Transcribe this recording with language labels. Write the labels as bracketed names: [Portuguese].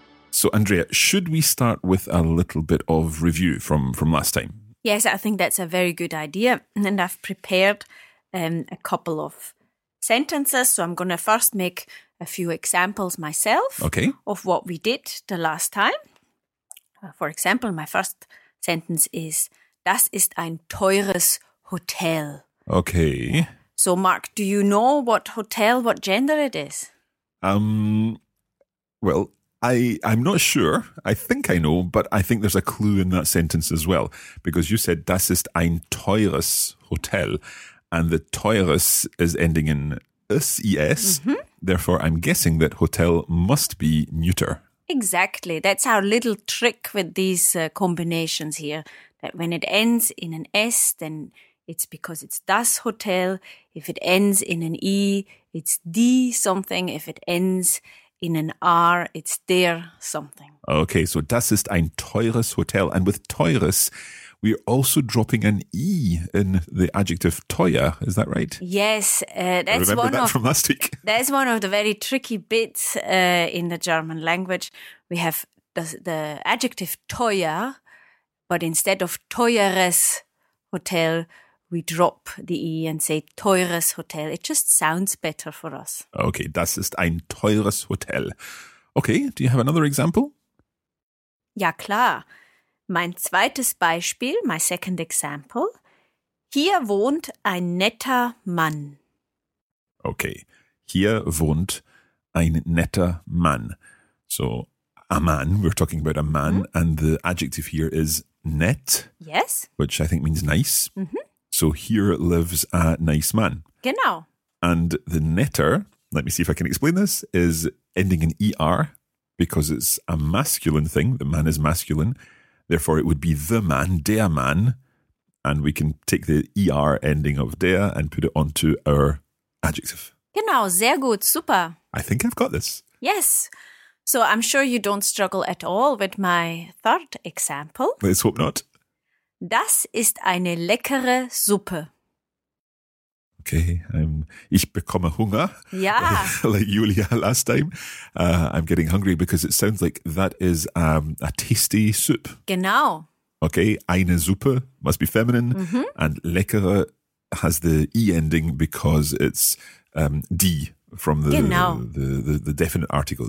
[English] So, Andrea, should we start with a little bit of review from last time? Yes, I think that's a very good idea. And I've prepared a couple of sentences. So I'm going to first make a few examples myself of what we did the last time. For example, my first sentence is, das ist ein teures Hotel. Okay. So, Marc, do you know what hotel, what gender it is? Well, I'm not sure. I think I know, but I think there's a clue in that sentence as well. Because you said, das ist ein teures Hotel. And the teures is ending in es, es. Mm-hmm. Therefore, I'm guessing that hotel must be neuter. Exactly. That's our little trick with these combinations here. That when it ends in an S, then it's because it's das Hotel. If it ends in an E, it's die something. If it ends in an R, it's der something. [German] Okay, so das ist ein teures Hotel. [English] And with teures, we're also dropping an E in the adjective teuer. Is that right? Yes. That's one of the very tricky bits in the German language. We have the adjective teuer, but instead of teures Hotel, we drop the E and say teures Hotel. It just sounds better for us. [German] Okay, das ist ein teures Hotel. [English] Okay, do you have another example? [German] Ja, klar. Mein zweites Beispiel, my second example. Hier wohnt ein netter Mann. Okay, hier wohnt ein netter Mann. [English] So, a man, we're talking about a man, and the adjective here is nett. Yes. Which I think means nice. Mm-hmm. So here lives a nice man. [German] Genau. [English] And the netter, let me see if I can explain this, is ending in ER because it's a masculine thing. The man is masculine. Therefore, it would be the man, der Mann. And we can take the ER ending of der and put it onto our adjective. [German] Genau. Sehr gut. Super. [English] I think I've got this. Yes. So I'm sure you don't struggle at all with my third example. Let's hope not. [German] Das ist eine leckere Suppe. Okay, ich bekomme Hunger. Ja. [English] Like Julia last time. I'm getting hungry because it sounds like that is a tasty soup. [German] Genau. [English] Okay, eine Suppe must be feminine. Mm-hmm. And leckere has the E ending because it's die from the definite article.